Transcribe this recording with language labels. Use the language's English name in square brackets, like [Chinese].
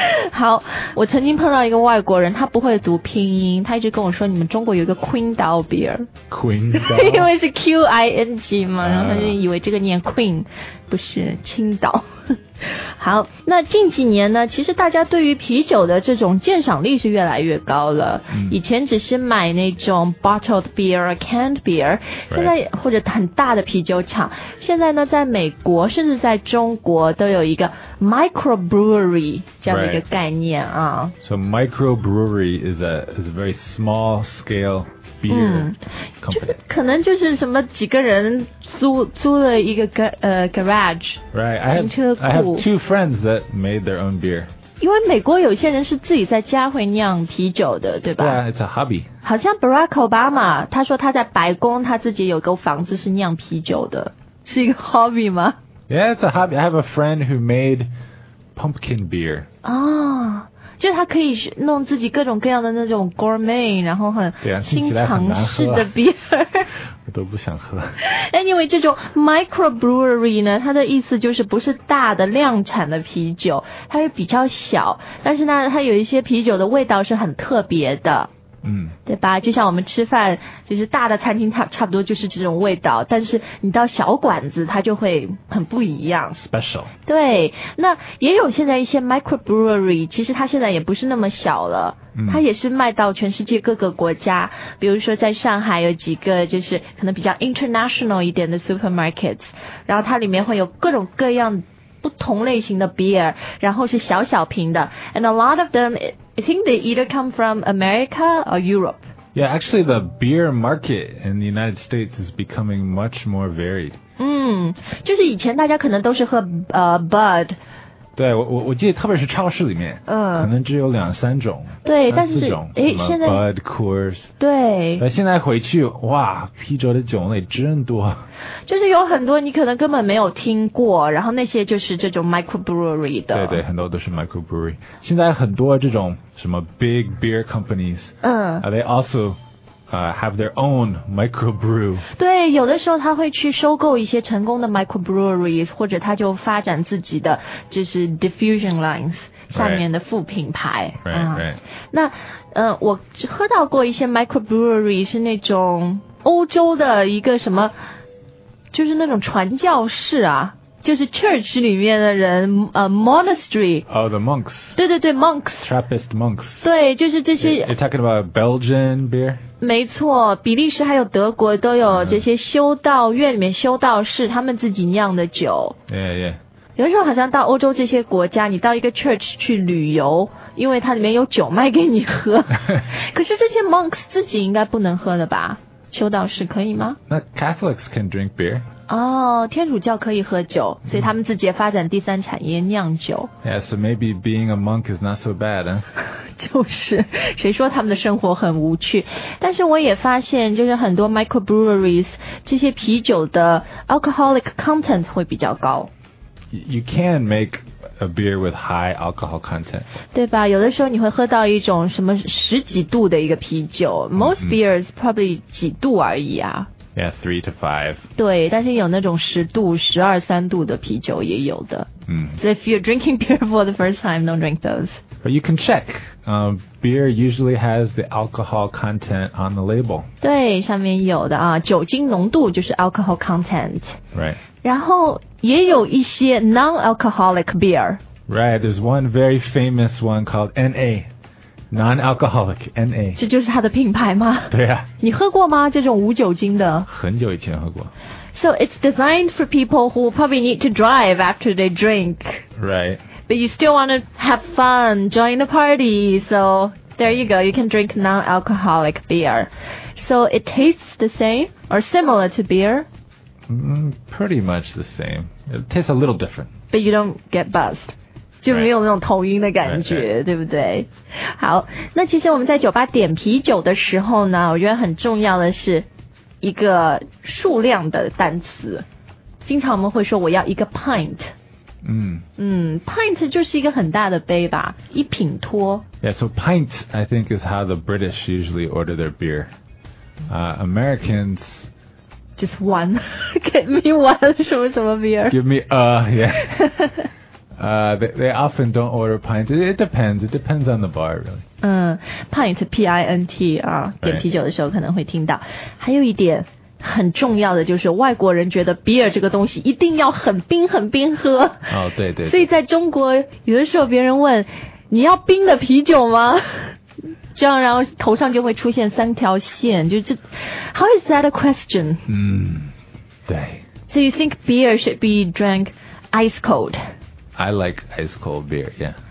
[Chinese] 好，我曾经碰到一个外国人，他不会读拼音，他一直跟我说你们中国有一个 Qingdao beer. Qingdao? 因为是 Q-I-N-G 嘛，然后他就以为这个念 Queen, 不是青岛。好，那近几年呢，其实大家对于啤酒的这种鉴赏力是越来越高了。嗯、以前只是买那种 bottled beer or canned beer,、 [English] right. [Chinese] 现在或者很大的啤酒厂，现在呢，在美国甚至在中国都有一个 microbrewery 这样的一个概念啊。 [English] Right. So microbrewery is a very small scale. [Chinese] 嗯，可能就是什么几个人租了一个garage, [English] right? I have two friends that made their own beer. [Chinese] 因为美国有些人是自己在家会酿啤酒的，对吧 [English] ？Yeah, it's a hobby. [Chinese] 好像 Barack Obama 他说他在白宫他自己有个房子是酿啤酒的，是一个 hobby 吗 [English] ？Yeah, it's a hobby. I have a friend who made pumpkin beer. Oh. [Chinese] 就他可以弄自己各种各样的那种 gourmet, 然后很新尝试的 beer。我都不想喝。 Anyway, 这种 microbrewery 呢，它的意思就是不是大的量产的啤酒，它是比较小，但是呢，它有一些啤酒的味道是很特别的。嗯，对吧？就像我们吃饭，就是大的餐厅差不多就是这种味道，但是你到小馆子，它就会很不一样。 [English] Special。 [Chinese] 对，那也有现在一些 microbrewery， 其实它现在也不是那么小了，它也是卖到全世界各个国家。嗯、比如说在上海有几个就是可能比较 international 一点的 supermarkets， 然后它里面会有各种各样不同类型的 beer， 然后是小小瓶的 ， and a lot of them。 [English] I think they either come from America or Europe. Yeah, actually the beer market in the United States is becoming much more varied. [Chinese] 嗯，就是以前大家可能都是喝Bud. 对，我记得特别是超市里面，嗯，可能只有两三种，对，但是现在 Bud, Coors. 对。那现在回去，哇，啤酒的种类真多。就是有很多你可能根本没有听过，然后那些就是这种 microbrewery 的。对对，很多都是 microbrewery。现在很多这种什么 big beer companies，嗯 [English] ，they also have their own microbrew。 [Chinese] 对，有的时候他会去收购一些成功的 microbrewery， 或者他就发展自己的就是 diffusion lines 下面的副品牌。 [English] Right. 嗯、 right. [Chinese] 那我喝到过一些 microbrewery 是那种欧洲的一个什么。就是那种传教士啊，就是 church 里面的人，monastery。 [English] Oh, the monks. [Chinese] 对对对 ，monks. [English] Trappist monks. [Chinese] 对，就是这些。 [English] You're talking about Belgian beer? [Chinese] 没错，比利时还有德国都有这些修道院里面修道士他们自己酿的酒。 [English] Yeah, yeah. [Chinese] 有的时候好像到欧洲这些国家，你到一个 church 去旅游，因为它里面有酒卖给你喝。可是这些 monks 自己应该不能喝的吧？修道士可以吗？ [English] 那 Catholics can drink beer. [Chinese] 哦、oh, ，天主教可以喝酒，所以他们自己也发展第三产业酿酒。 [English] Yeah, so maybe being a monk is not so bad, huh? [Chinese] 就是，谁说他们的生活很无趣？但是我也发现，就是很多 microbreweries 这些啤酒的 alcoholic content 会比较高。 [English] You can make a beer with high alcohol content. [Chinese] 对吧？有的时候你会喝到一种什么十几度的一个啤酒。 Mm-hmm. [English] Most beers probably 几度而已啊。 Yeah, 3 to 5. [Chinese] 对，但是有那种十度、十二三度的啤酒也有的。 Mm. [English] So if you're drinking beer for the first time, don't drink those. But you can check. Beer usually has the alcohol content on the label. [Chinese] 对，上面有的啊，酒精浓度就是 alcohol content. [English] Right. [Chinese] 然后也有一些 non-alcoholic beer. [English] Right, there's one very famous one called NA. Non-alcoholic, NA. [Chinese] 这就是它的品牌吗？对啊。你喝过吗？这种无酒精的？很久以前喝过。 [English] So it's designed for people who probably need to drive after they drink. Right. But you still want to have fun, join the party. So there you go, you can drink non-alcoholic beer. So it tastes the same or similar to beer? Pretty much the same. It tastes a little different. But you don't get buzzed. [Chinese] 就没有那种头晕的感觉 [English] right. Right. [Chinese] 对不对好那其实我们在酒吧点啤酒的时候呢我觉得很重要的是一个数量的单词，经常我们会说我要一个 pint。 Pint 就是一个很大的杯吧，一品托。 [English] Yeah, so pint, I think, is how the British usually order their beer. Americans... Just one. Give me one, 什么什么 beer. Give me a, yeah. they often don't order pints. It depends. It depends on the bar, really. [Chinese] Pint, P-I-N-T, 啊、点啤酒的时候可能会听到。还有一点很重要的就是外国人觉得 beer 这个东西一定要很冰很冰喝。哦、oh, 对, 对对。所以在中国有的时候别人问你要冰的啤酒吗，这样然后头上就会出现三条线，就是 How is that a question? 嗯、对。 [English] So you think beer should be drank ice cold? I like ice cold beer, yeah.